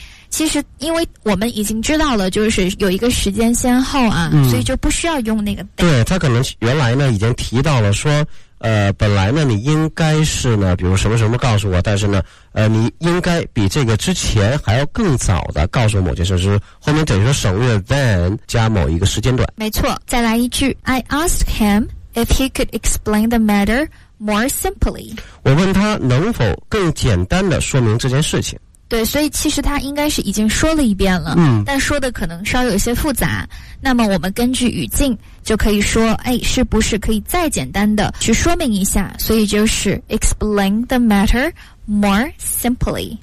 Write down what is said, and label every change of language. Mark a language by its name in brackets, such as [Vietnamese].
[Chinese] 其实因为我们已经知道了就是有一个时间先后啊，所以就不需要用那个 [English] than。 [Chinese] 对，他可能原来呢已经提到了说本来呢你应该是呢比如什么什么告诉我，但是呢你应该比这个之前还要更早的告诉某件事，是后面等于说省略 than 加某一个时间段。没错，再来一句。 [English] I asked him if he could explain the matter more simply。 [Chinese] 我问他能否更简单的说明这件事情。对，所以其实他应该是已经说了一遍了，但说的可能稍有些复杂，那么我们根据语境就可以说，哎，是不是可以再简单的去说明一下，所以就是 [English] explain the matter more simply。